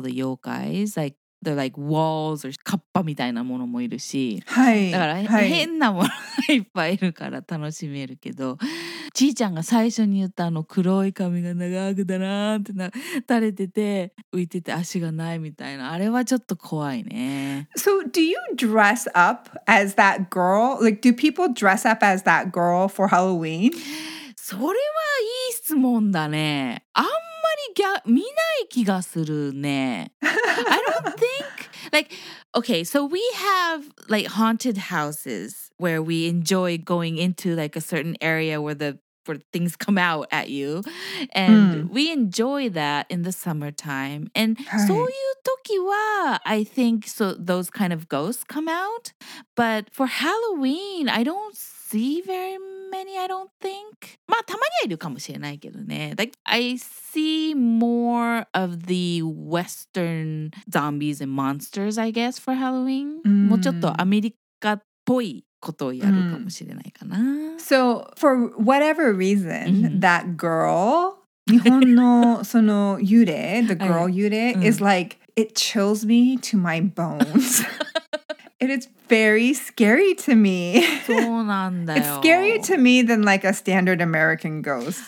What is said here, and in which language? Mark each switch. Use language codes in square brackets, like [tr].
[en] The 妖怪is like. They're like walls or カッパ [ja] みたいなものもいるし、はい、だから、はい、変なものがいっぱいいるから楽しめるけど、ちいちゃんが最初に言ったあの黒い髪が長くだなーってな垂れてて浮いてて足がないみたいな、あれはちょっと怖いね。 [en] So do you dress up as that girl? Like do people dress up as that girl for Halloween? [ja] それはいい質問だね。あんまり見ない気がするね。 [en] I don't think, like, okay, so we have, like, haunted houses where we enjoy going into, like, a certain area where things come out at you. And we enjoy that in the summertime. And [ja] そういう時は [en] I think so those kind of ghosts come out. But for Halloween, I don't see very many, I don't think. [ja] まあ、たまにはいるかもしれないけどね。 [en] Like, I see more of the Western zombies and monsters, I guess, for Halloween. [ja] もうちょっとアメリカっぽいことをやるかもしれないかな。 [en] So, for whatever reason, that girl, [ja] 日本のその幽霊, [en] the girl 幽霊, is like, it chills me to my bones. It is very scary to me. [ja] そうなんだよ。 [en] It's scarier to me than like a standard American ghost.